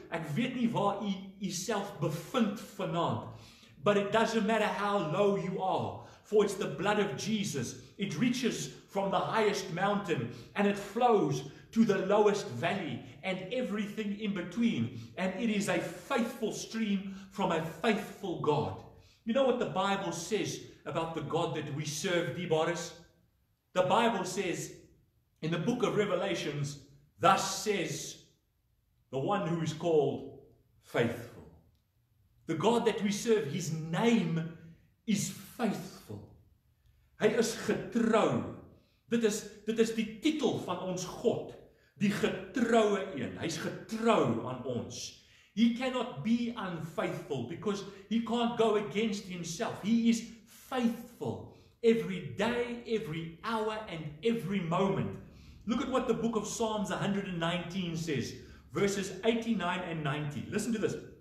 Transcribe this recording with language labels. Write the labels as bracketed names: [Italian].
[Afrikaans] Ek weet nie waar u jouself bevind vanaand. [English] But it doesn't matter how low you are. For it's the blood of Jesus. It reaches from the highest mountain and it flows to the lowest valley and everything in between. And it is a faithful stream from a faithful God. You know what the Bible says about the God that we serve, Deboris? The Bible says in the book of Revelations, thus says the one who is called faithful. The God that we serve, his name is faithful. [Afrikaans] Hy is getrou. Dit is die titel van ons God. Die getroue een. Hy is getrou aan ons. [English] He cannot be unfaithful because he can't go against himself. He is faithful every day, every hour and every moment. Look at what the book of Psalms 119 says. Verses 89 and 90. Listen to this.